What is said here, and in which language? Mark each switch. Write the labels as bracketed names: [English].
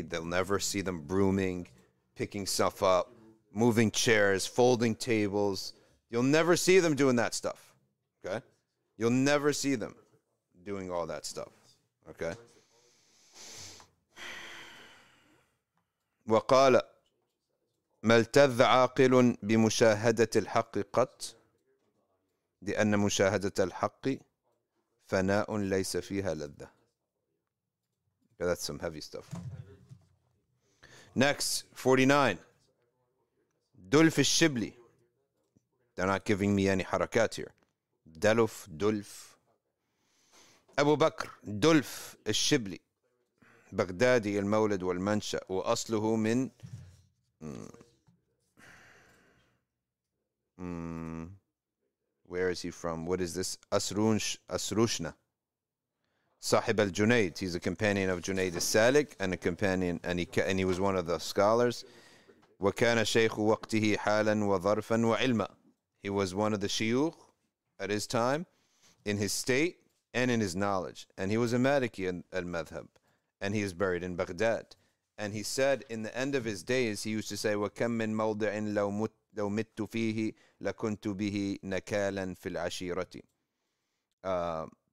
[English] They'll never see them brooming, picking stuff up, moving chairs, folding tables. You'll never see them doing that stuff. Okay? You'll never see them doing all that stuff. Okay? [Arabic] وقال ملتذ عاقل بمشاهدة الحق قط لأن مشاهدة الحق فناء ليس فيها لذة. [English] Okay, that's some heavy stuff. Next, 49. دلف الشبلي. They're not giving me any حركات here. [Arabic] دلف, دلف. أبو بكر, دلف الشبلي. بغدادي المولد والمنشأ وأصله من [English] where is he from? What is this? Asrushna. Sahib al-Junaid. He's a companion of Junaid al-Salik and a companion, and he was one of the scholars. [Arabic] وكان شيخ وقته حالا وظرفا وعلما. [English] He was one of the shiyukh at his time, in his state and in his knowledge. And he was a Maliki al-Madhab. And he is buried in Baghdad. And he said, in the end of his days, he used to say, [Arabic] وَكَمْ مِنْ مَوْضِعٍ لَوْ مِتْتُ فِيهِ لَكُنْتُ بِهِ نَكَالًا فِي الْعَشِيرَةِ.